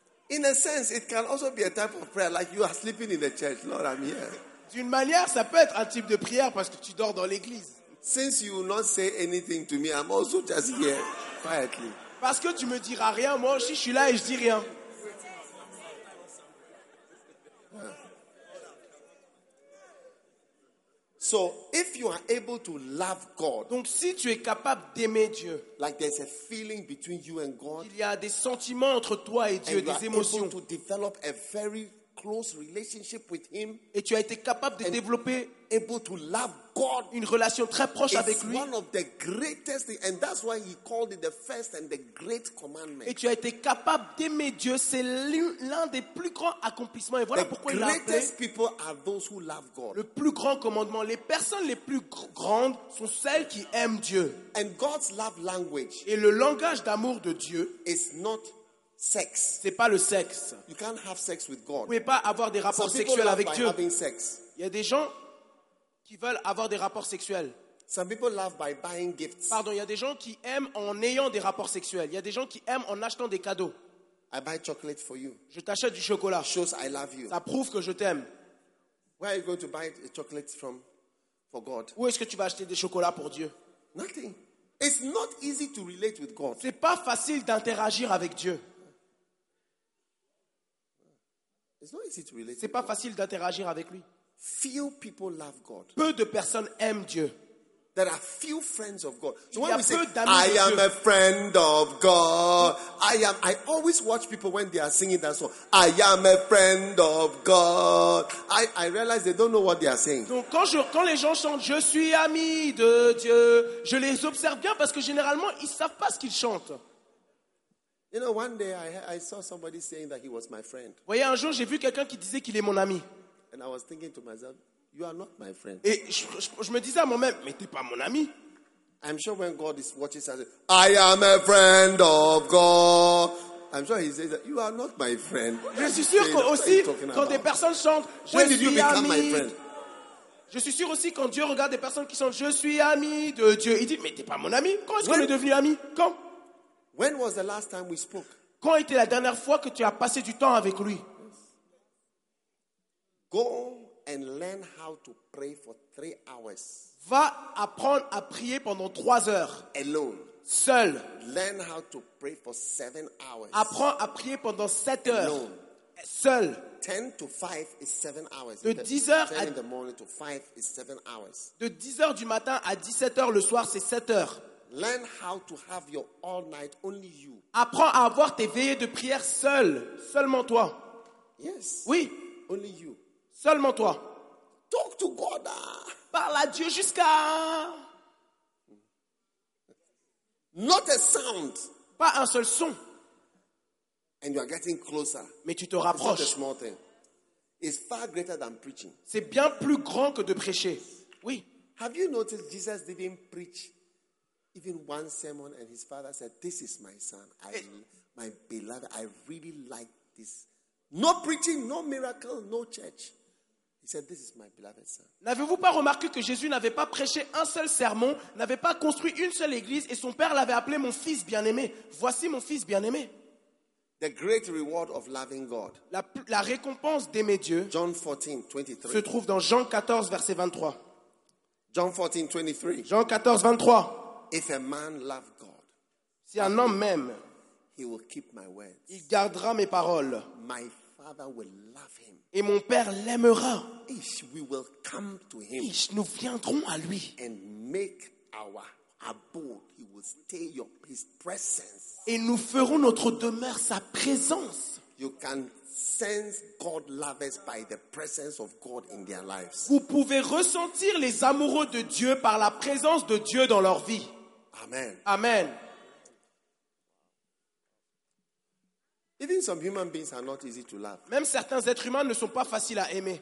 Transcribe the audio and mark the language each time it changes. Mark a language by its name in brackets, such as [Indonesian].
[English] In a sense, it can also be a type of prayer, like you are sleeping in the church. Lord, I'm here. [French] D'une manière, ça peut être un type de prière parce que tu dors dans l'église. [English] Since you will not say anything to me, I'm also just here quietly. [French] Parce que tu me diras rien, moi aussi je suis là et je dis rien. [English] So if you are able to love God, [French] donc si tu es capable d'aimer Dieu, [English] like there's a feeling between you and God, [French] il y a des sentiments entre toi et Dieu, des émotions, [English] and you are able to develop a very close relationship with him, [French] et tu as été capable de développer [English] able to love God, [French] une relation très proche avec lui. [English] One of the greatest, and that's why he called it the first and the great commandment. [French] Et tu as été capable d'aimer Dieu, c'est l'un des plus grands accomplishments. Et voilà [English] the [French] pourquoi il l'a appelé. [English] Greatest people are those who love God. [French] Le plus grand commandement, les personnes les plus grandes sont celles qui aiment Dieu. [English] And God's love language. [French] Et le langage d'amour de Dieu [English] is not sex. [French] C'est pas le sexe. [English] You can't have sex with God. [French] Vous pouvez pas avoir des rapports sexuels avec Dieu. [English] Some people love by having sex. [French] Il y a des gens qui veulent avoir des rapports sexuels. [English] Some people love by buying gifts. [French] Pardon, il y a des gens qui aiment en ayant des rapports sexuels. Il y a des gens qui aiment en achetant des cadeaux. [English] I buy chocolate for you. [French] Je t'achète du chocolat. [English] Shows I love you. [French] Ça prouve que je t'aime. [English] Where are you going to buy the chocolate from for God? [French] Où est-ce que tu vas acheter des chocolats pour Dieu? [English] Nothing. It's not easy to relate with God. [French] C'est pas facile d'interagir avec Dieu. C'est pas facile d'interagir avec lui. [English] Few people love God. [French] Peu de personnes aiment Dieu. [English] There are few friends of God. So when [French] il y a [English] we [French] peu [English] say, [French] d'amis de [English] I [French] Dieu. [English] Am a friend of God. I am. I always watch people when they are singing that song. I am a friend of God. I realize they don't know what they are saying. [French] Donc quand les gens chantent, je suis ami de Dieu. Je les observe bien parce que généralement ils savent pas ce qu'ils chantent. [English] You know, one day I saw somebody saying that he was my friend. [French] Vous voyez, un jour j'ai vu quelqu'un qui disait qu'il est mon ami. [English] And I was thinking to myself, you are not my friend. [French] Et je me disais à moi-même, mais t'es pas mon ami. [English] I'm sure when God is watching, says, I am a friend of God. I'm sure he says that you are not my friend. [French] Je suis sûr que aussi quand des personnes chantent, je [English] when did you become [French] ami. [English] My friend? [French] Je suis sûr aussi quand Dieu regarde des personnes qui chantent, je suis ami de Dieu. Il dit, mais t'es pas mon ami. Quand est-ce qu'on est devenu ami? Quand? [English] When was the last time we spoke? [French] Quand était la dernière fois que tu as passé du temps avec lui? [English] Go and learn how to pray for 3 hours. [French] Va apprendre à prier pendant 3 heures. [English] Alone. [French] Seul. [English] Learn how to pray for 7 hours. [French] Apprends à prier pendant 7 heures. [English] Alone. [French] Seul. [English] 10 to 5 is 7 hours. [French] De 10 heures à [English] 10 in the morning to 5 is 7 hours. [French] De 10 heures du matin à 17 heures le soir, c'est 7 heures. [English] Learn how to have your all night only you. [French] Apprends à avoir tes veillées de prière seul, seulement toi. [English] Yes. [French] Oui. [English] Only you. [French] Seulement toi. [English] Talk to God. [French] Parle à Dieu jusqu'à. [English] Not a sound. [French] Pas un seul son. [English] And you are getting closer. [French] Mais tu te rapproches. [English] It's not a small thing. It's far greater than preaching. [French] C'est bien plus grand que de prêcher. Oui. [English] Have you noticed Jesus didn't preach even one sermon and his father said, "This is my son, my beloved, I really like this." No preaching, no miracle, no church. He said, "This is my beloved son." [French] N'avez-vous pas remarqué que Jésus n'avait pas prêché un seul sermon, n'avait pas construit une seule église et son père l'avait appelé mon fils bien-aimé. Voici mon fils bien-aimé. [English] The great reward of loving God. [French] La récompense d'aimer Dieu. [English] John 14, 23. [French] Se trouve dans Jean 14, verset 23. [English] John 14, 23. [French] Jean 14, 23. [English] If a man love God, [French] si un homme m'aime, [English] he will keep my words. [French] Il gardera mes paroles. [English] My father will love him. [French] Et mon père l'aimera. [English] Ish, we will come to him. [French] Ish, nous viendrons à lui. [English] And make our abode. He will stay your his presence. [French] Et nous ferons notre demeure sa présence. [English] You can sense God lovers by the presence of God in their lives. [French] Vous pouvez ressentir les amoureux de Dieu par la présence de Dieu dans leur vie. Amen. Amen. [English] Even some human beings are not easy to love. [French] Même certains êtres humains ne sont pas faciles à aimer.